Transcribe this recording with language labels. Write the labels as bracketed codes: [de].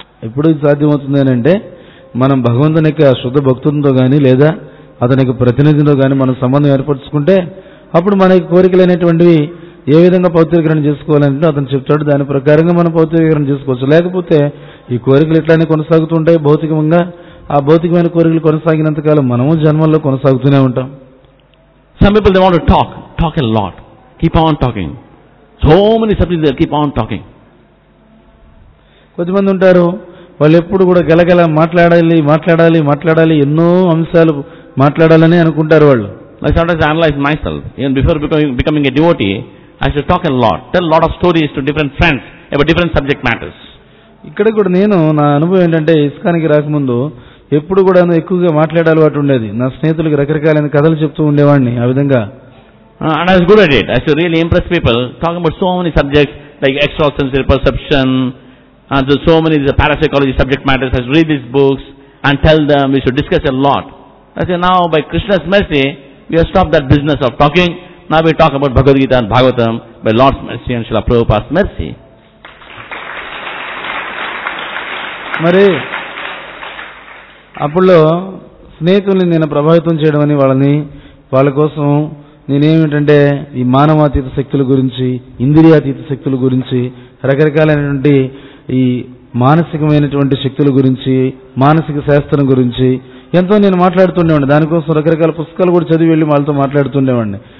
[te] ఎప్పుడు ఇది సాధ్యమవుతుంది అని అంటే మనం భగవంతునికి ఆ శుద్ధ భక్తులతో కానీ లేదా అతనికి ప్రతినిధితో కానీ మనం సంబంధం ఏర్పరచుకుంటే అప్పుడు మనకి కోరికలు అనేటువంటివి ఏ విధంగా పవిత్రీకరణ చేసుకోవాలంటే అతను చెప్తాడు, దాని ప్రకారంగా మనం పవిత్రీకరణ చేసుకోవచ్చు. లేకపోతే ఈ కోరికలు ఇట్లానే కొనసాగుతూ ఉంటాయి భౌతికంగా, ఆ భౌతికమైన కోరికలు కొనసాగినంత కాలం మనము జన్మల్లో కొనసాగుతూనే ఉంటాం. [en] Some people they want to talk, talk a lot, keep on talking. So many subjects they keep on talking. [te] కొద్ది మంది ఉంటారు వాళ్ళు ఎప్పుడు కూడా గలగల మాట్లాడాలి మాట్లాడాలి మాట్లాడాలి ఎన్నో అంశాలు మాట్లాడాలని అనుకుంటారు వాళ్ళు. [en] Like sometimes I analyze myself, even before becoming a devotee, I should talk a lot, tell a lot of stories to different friends about different subject matters. [te] ఇక్కడ కూడా నేను నా అనుభవం ఏంటంటే ఇస్కానికి రాకముందు ఎప్పుడు కూడా ఎక్కువగా మాట్లాడాలి వాటి ఉండేది, నా స్నేహితులకు రకరకాలైన కథలు చెప్తూ ఉండేవాడిని ఆ విధంగా. [en] And I was good at it. I should really impress people talking about so many subjects like extrasensory perception, and so many the parapsychology subject matters. I should read these books and tell them, we should discuss a lot. I say, now by Krishna's mercy, we have stopped that business of talking. Now we talk about Bhagavad Gita and Bhagavatam by Lord's mercy and Srila Prabhupada's mercy. [te] Mare, అప్పుడులో స్నేహితుల్ని నేను ప్రభావితం చేయడం అని వాళ్ళని వాళ్ళ కోసం నేనేమిటంటే ఈ మానవాతీత శక్తుల గురించి ఇంద్రియాతీత శక్తుల గురించి రకరకాలైనటువంటి ఈ మానసికమైనటువంటి శక్తుల గురించి మానసిక శాస్త్రం గురించి ఎంతో నేను మాట్లాడుతుండేవాడిని, దానికోసం రకరకాల పుస్తకాలు కూడా చదివి వెళ్ళి వాళ్ళతో మాట్లాడుతుండేవాడిని.